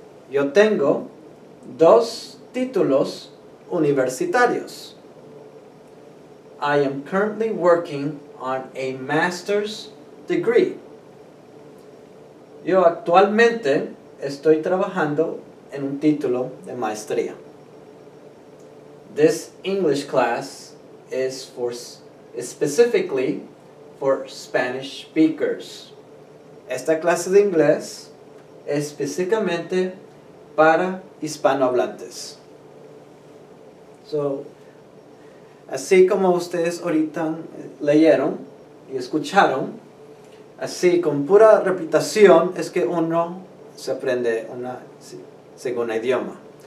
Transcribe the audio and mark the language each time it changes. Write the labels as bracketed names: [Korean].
[Spanish] Yo tengo 2 títulos universitarios. [English] I am currently working on a master's degree. [Spanish] Yo actualmente estoy trabajando en un título de maestría. [English] This English class is specifically for Spanish speakers. [Spanish] Esta clase de inglés es específicamente para hispanohablantes. So, así como ustedes ahorita leyeron y escucharon, así con pura repetición es que uno se aprende una segunda idioma.